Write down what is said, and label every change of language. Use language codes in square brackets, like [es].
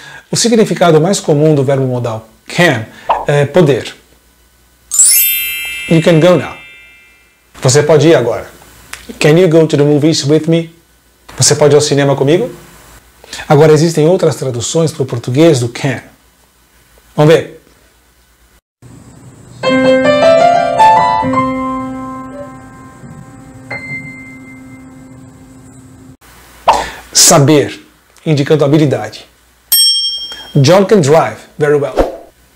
[pt] O significado mais comum do verbo modal can é poder. [en] You can go now. [pt] Você pode ir agora. [en] Can you go to the movies with me? [pt] Você pode ir ao cinema comigo? Agora, existem outras traduções para o português do can. Vamos ver. Saber, indicando habilidade. [en] John can drive very well.